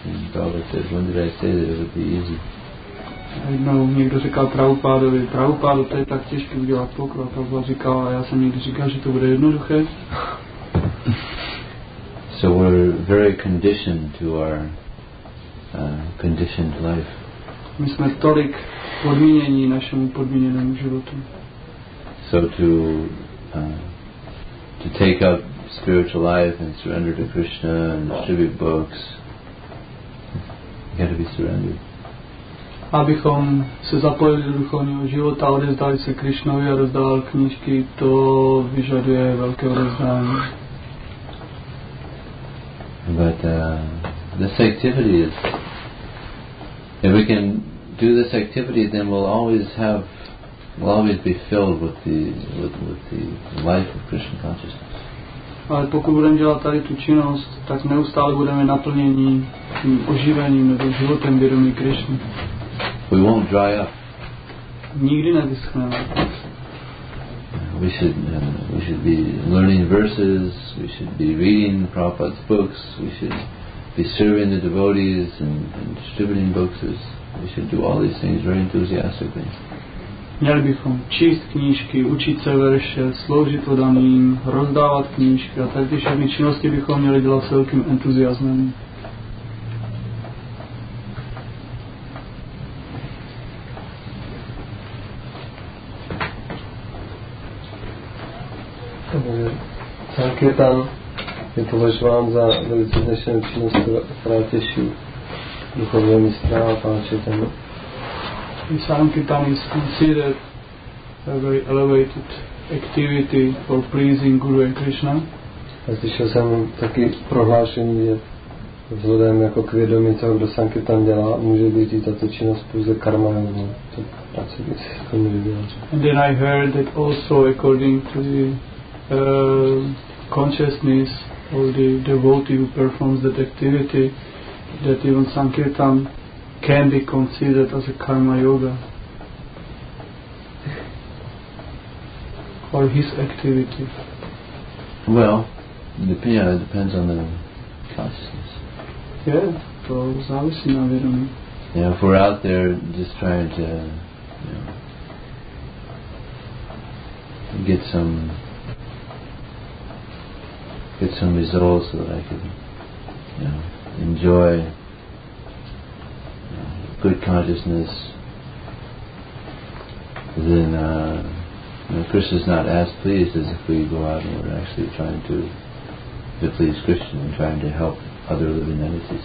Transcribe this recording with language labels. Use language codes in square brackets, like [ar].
[en] And Baba said, when did I say that it would be easy? [cs] Jednou někdo říkal Prabhupádovi, Prabhupádo, to je tak těžké udělat pokrok. Prabhupáda říkal, a já jsem někdy říkal, že to bude jednoduché. [en] So we're very conditioned to our conditioned life. [cs] My jsme tolik podmínění našemu podmíněnému životu. [en] So to take up spiritual life and surrender to Krishna and distribute books, you got to be surrendered. [cs] Abychom se zapojili do duchovního života, odevzdali se Krišnovi a rozdával knížky, to vyžaduje velké odevzdání. [en] But this activity is, if we can do this activity, then we'll always be filled with the life of Krishna consciousness. [cs] Ale pokud budeme dělat tady tu činnost, tak neustále budeme naplněni tím oživením nebo životem vědomí Krišny. [en] We won't dry up. [cs] Nikdy nevyschneme. [en] We should be learning verses, we should be reading Prabhupada's books, we should be serving the devotees and distributing books. We should do all these things very enthusiastically. [cs] Měli bychom číst knížky, učit se verše, sloužit odaným, rozdávat knížky a tak ty všechny činnosti bychom měli dělat s velkým entuziasmem. Sankirtan je považován za velice dnešní činnost, která těší duchovní mistra a pana Četana. [en] Sankirtan is considered a very elevated activity for pleasing Guru and Krishna. [cs] A slyšel jsem taky prohlášení, že vzhledem jako k vědomí toho, kdo Sankirtan dělá, může být i tato činnost pouze karma. [en] And then I heard that also according to the consciousness of the devotee who performs that activity, that even Sankirtan can be considered as a karma yoga. or his activity? Well, it depends on the consciousness. [cs] Yeah, to závisí na vědomí. [en] Yeah, if we're out there just trying to, you know, get some results so that I can, you know, enjoy, you know, good consciousness, then Krishna's not as pleased as if we go out and we're actually trying to please Krishna and trying to help other living entities.